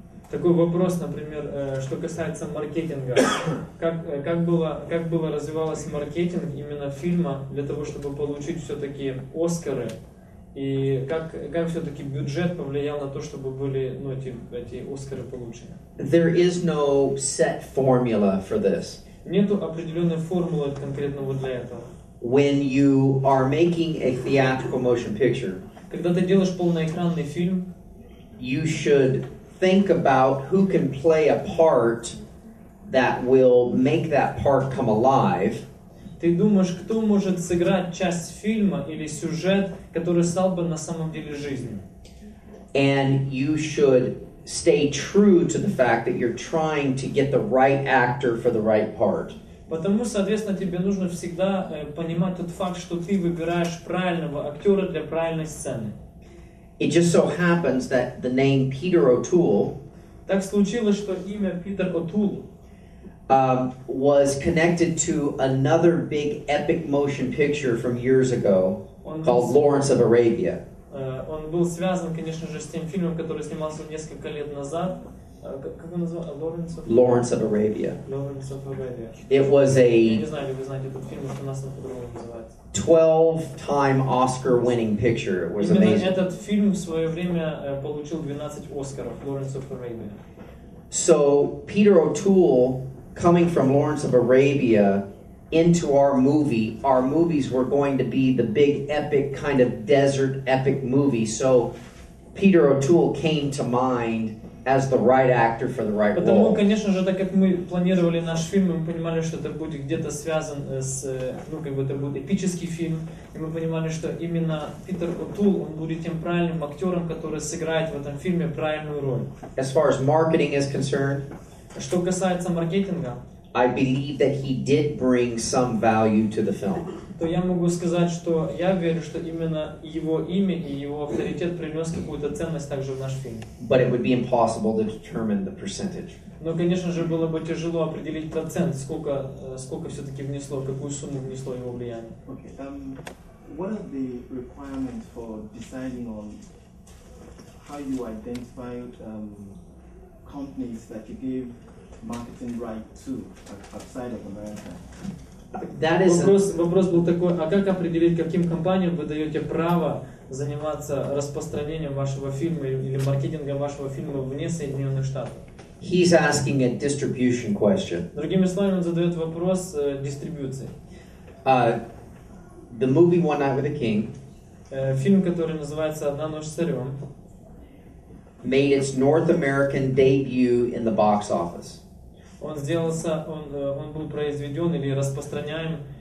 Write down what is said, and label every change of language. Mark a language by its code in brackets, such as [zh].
[ru] Такой вопрос, например, что касается маркетинга. Как было развивалось маркетинг именно фильма для того, чтобы получить все-таки Оскары? И как все-таки бюджет повлиял на то, чтобы были эти Оскары получены? [en] There is no set formula for this. [ru] Нету определенной формулы конкретного для этого. [en] When you are making a theatrical motion picture, [ru] когда ты делаешь полноэкранный фильм, [en] you should think about who can play a part that will make that part come alive. [ru] Ты думаешь, кто может сыграть часть фильма или сюжет, который стал бы на самом деле жизнью? [en] And you should stay true to the fact that you're trying to get the right actor for the right part. [ru] Потому, соответственно, тебе нужно всегда понимать тот факт, что ты выбираешь правильного актера для правильной сцены. [en] It just so happens that the name Peter O'Toole, [ru] так случилось, что имя Питер О'Тул, [en] was connected to another big epic motion picture from years ago called Lawrence of Arabia. [ru] Он был связан, конечно же, с тем фильмом, который снимался несколько лет назад. Как он назывался? Lawrence of Arabia. [en] It was a... [ru] Я не знаю, вы знаете этот фильм, что у нас на по-другому называется. [en] 12-time Oscar-winning picture. It was [ru] именно [en] amazing. [ru] Этот фильм в свое время получил 12 Оскаров, Lawrence of Arabia. [en] So, Peter O'Toole, coming from Lawrence of Arabia into our movies were going to be the big epic kind of desert epic movie. So Peter O'Toole came to mind as the right actor for the right role. [ru] Потому, конечно же, так как мы планировали наш фильм, мы понимали, что это будет где-то связан с, это будет эпический фильм, и мы понимали, что именно Питер О'Тул, он будет тем правильным актером, который сыграет в этом фильме правильную роль. [en] As far as marketing is concerned, [ru] что касается маркетинга, [en] I believe that he did bring some value to the film. [ru] То я могу сказать, что я верю, что именно его имя и его авторитет принес какую-то ценность также в наш фильм. [en] But it would be impossible to determine the percentage. [ru] Но, конечно же, было бы тяжело определить процент, сколько все-таки внесло, какую сумму внесло его влияние. [en] Okay. What are the requirements for deciding on how you identify companies that you give marketing right to outside of America? That is [ru] вопрос был такой: а как определить, каким компаниям вы даете право заниматься распространением вашего фильма или маркетингом вашего фильма вне Соединенных Штатов? [en] He's asking a distribution question. [ru] Другими словами, он задает вопрос дистрибьюции. [en] The movie One Night with the King. [ru] Фильм, который называется «Одна ночь с царем», [en] made its North American debut in the box office. [ru] Он был произведен или распространяем.